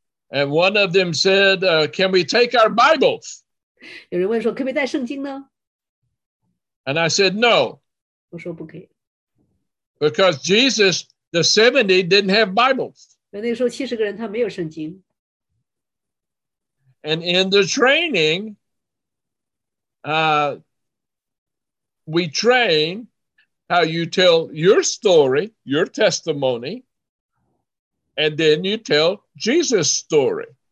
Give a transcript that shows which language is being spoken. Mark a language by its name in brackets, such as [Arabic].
[English] And one of them said, can we take our Bibles? [Chinese] 有人问说，可不可以带圣经呢？ [English] And I said, no. [Chinese] 我说不可以。 [English] Because Jesus, the 70, didn't have Bibles. [Chinese] 那个时候70个人他没有圣经。 [English] And in the training, we train how you tell your story, your testimony, and then you tell Jesus' story.